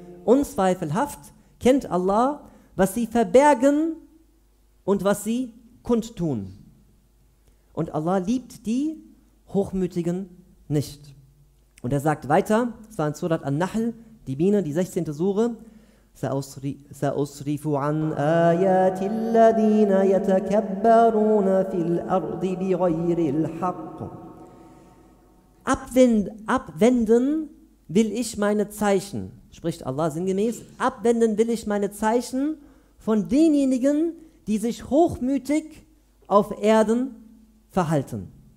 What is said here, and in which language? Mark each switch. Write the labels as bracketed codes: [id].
[de] Unzweifelhaft kennt Allah, was sie verbergen und was sie kundtun. Und Allah liebt die Hochmütigen nicht. Und er sagt weiter, es war in Surat An-Nahl, die Biene, die 16. [ar] Sure, سأصرف عن آيات الذين يتكبرون في الأرض بغير الحق. [de] Abwenden will ich meine Zeichen, spricht Allah sinngemäß, abwenden will ich meine Zeichen von denjenigen, die sich hochmütig auf Erden verhalten.